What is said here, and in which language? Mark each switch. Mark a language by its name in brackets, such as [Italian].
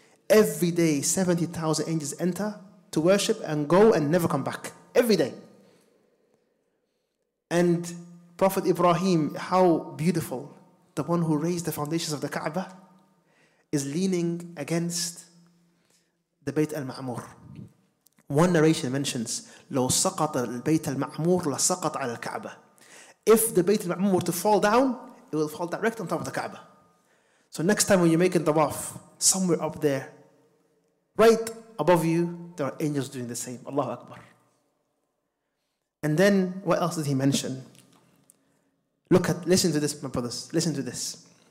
[English] Every day, 70,000 angels enter to worship and go and never come back. Every day. And Prophet Ibrahim, how beautiful, the one who raised the foundations of the Kaaba, is leaning against the Bayt al-Ma'mur. One narration mentions, [Arabic] لو سقط البيت المعمور لسقط على الكعبة. [English] If the Bayt al-Ma'mur were to fall down, it will fall direct on top of the Kaaba. So next time when you're making tawaf, somewhere up there, right above you, there are angels doing the same. Allahu Akbar. And then, what else did he mention? Listen to this, my brothers. Listen to this.